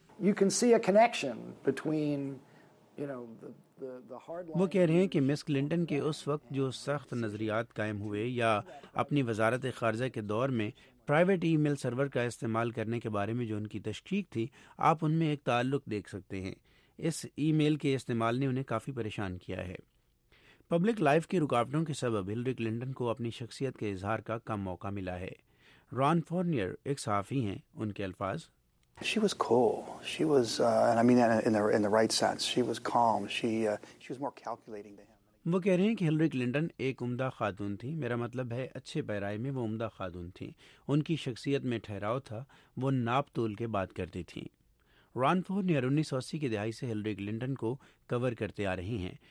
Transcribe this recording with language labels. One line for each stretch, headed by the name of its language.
Urdu: وہ کہہ رہے ہیں کہ مس کلنٹن کے اس وقت جو سخت نظریات قائم ہوئے یا اپنی وزارت خارجہ کے دور میں پرائیویٹ ای میل سرور کا استعمال کرنے کے بارے میں جو ان کی تشکیک تھی, آپ ان میں ایک تعلق دیکھ سکتے ہیں. اس ای میل کے استعمال نے انہیں کافی پریشان کیا ہے. پبلک لائف کی رکاوٹوں کے سبب ہلری کلنٹن کو اپنی شخصیت کے اظہار کا کم موقع ملا ہے. رون فورنیئر ایک صحافی ہیں, ان کے الفاظ,
English: She was cool. She was, and I mean that in the right sense. She was calm. She was more calculating than him.
Urdu: وہ کہہ رہے ہیں کہ ہلری کلنٹن ایک عمدہ خاتون تھیں. میرا مطلب ہے اچھے پیرائے میں وہ عمدہ خاتون تھیں. ان کی شخصیت میں ٹھہراؤ تھا, وہ ناپ تول کے بات کرتی تھیں. رون فورنیئر 1980 کی دہائی سے ہلری کلنٹن کو کور کرتے آ رہی ہیں.